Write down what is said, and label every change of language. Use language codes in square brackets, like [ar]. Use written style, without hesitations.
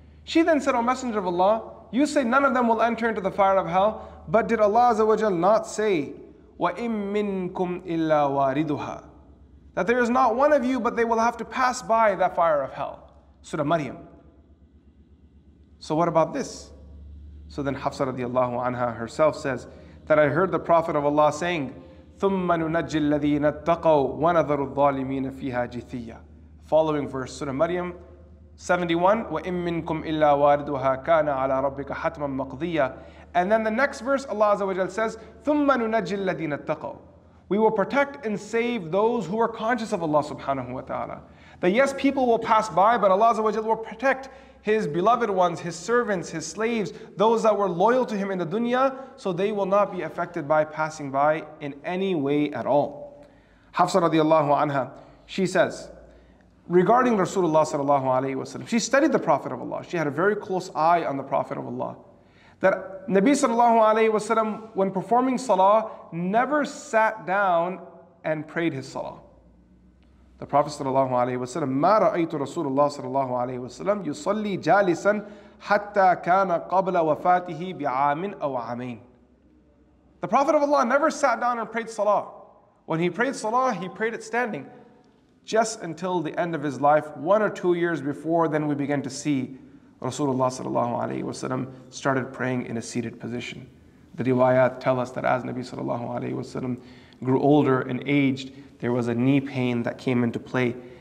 [en] She then said, O Messenger of Allah, you say none of them will enter into the fire of hell, but did Allah Azza wa Jal not say, [ar] وَإِمْ مِنْكُمْ إِلَّا وَارِدُهَا, [en] that there is not one of you, but they will have to pass by that fire of hell. Surah Maryam. So what about this? So then Hafsah radiallahu anha herself says, that I heard the Prophet of Allah saying, [ar] ثُمَّ نُنَجِّ الَّذِينَ اتَّقَوْا وَنَذَرُ الظَّالِمِينَ فِيهَا جِثِيَّةً. [en] Following verse Surah Maryam 71, [ar] وَإِمْ مِنْكُمْ إِلَّا وَارِدُهَا كَانَ عَلَىٰ رَبِّكَ حَتْمًا مَقْضِيًّا. [en] And then the next verse, Allah Azza wa Jal says, [ar] ثُمَّ نُنَجِّ الَّذِينَ اتَّقَوْا. [en] We will protect and save those who are conscious of Allah subhanahu wa ta'ala. That yes, people will pass by, but Allah Azza wa Jal will protect His beloved ones, His servants, His slaves, those that were loyal to Him in the dunya, so they will not be affected by passing by in any way at all. Hafsah radiallahu anha, she says, regarding Rasulullah sallallahu alayhi wa sallam, she studied the Prophet of Allah. She had a very close eye on the Prophet of Allah. That Nabi sallallahu alayhi wa sallam, when performing salah, never sat down and prayed his salah. The Prophet sallallahu alayhi wa sallam, [ar] مَا رَأَيْتُ رَسُولُ اللَّهِ sallallahu alayhi wa sallam يُصَلِّي جَالِسًا حَتَّى كَانَ قَبْلَ وَفَاتِهِ بِعَامٍ أَوْ عَمَيْنٍ. [en] The Prophet of Allah never sat down and prayed salah. When he prayed salah, he prayed it standing. Just until the end of his life, 1 or 2 years before, then we began to see Rasulullah sallallahu alayhi wa sallam started praying in a seated position. The riwayat tell us that as Nabi sallallahu alayhi wa sallam grew older and aged, there was a knee pain that came into play.